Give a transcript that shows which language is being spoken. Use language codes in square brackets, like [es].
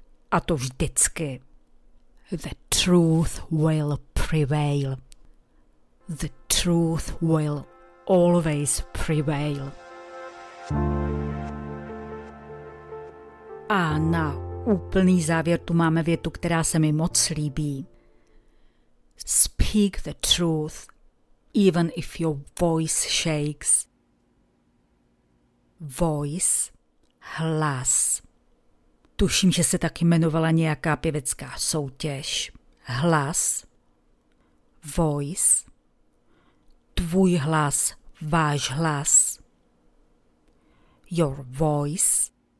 [cs] A to vždycky. [en] The truth will prevail. The truth will always prevail. [cs] A na úplný závěr tu máme větu, která se mi moc líbí. [en] Speak the truth, even if your voice shakes. Voice, hlas. [cs] Tuším, že se taky jmenovala nějaká pěvecká soutěž. Hlas, [en] voice, [cs] tvůj hlas. Váš hlas. [en] Your voice.